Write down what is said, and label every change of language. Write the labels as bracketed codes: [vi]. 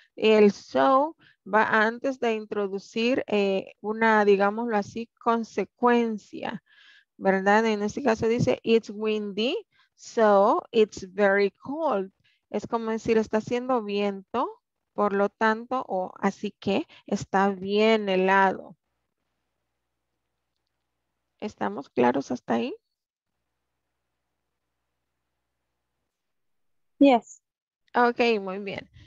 [es] El so va antes de introducir una, digámoslo así, consecuencia, ¿verdad? En este caso dice [en] it's windy, so it's very cold. [es] Es como decir está haciendo viento. Por lo tanto, o así que está bien helado. ¿Estamos claros hasta ahí? [en] Yes. [es] Ok, muy bien.